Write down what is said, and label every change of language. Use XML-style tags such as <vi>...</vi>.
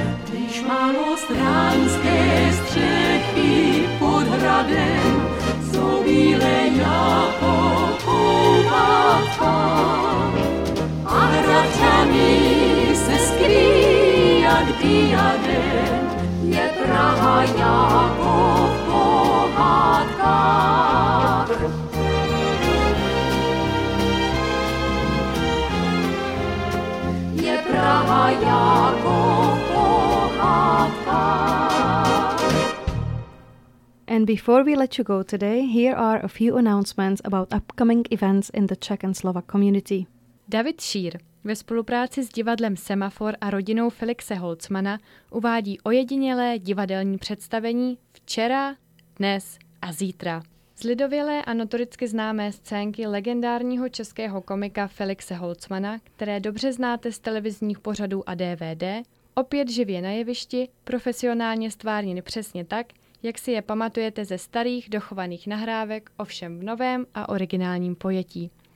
<cs>Když málo stránské střechy pod hradem jsou bílé jako koupatka, a hradčami se skrý jak diadem, je Praha jako v pohádkách. Je Praha jako v pohádkách.</cs> <en>And before we let you go today, here are a few announcements about upcoming events in the Czech and Slovak community.</en> <cs>David Šír ve spolupráci s divadlem Semafor a rodinou Felixe Holcmana uvádí ojedinělé divadelní představení Včera, dnes a zítra. Z lidovělé a notoricky známé scénky legendárního českého komika Felixe Holcmana, které dobře znáte z televizních pořadů a DVD, opět živě na jevišti, profesionálně stvárněny přesně tak, jak si je pamatujete ze starých dochovaných nahrávek, ovšem v novém a originálním pojetí.</cs>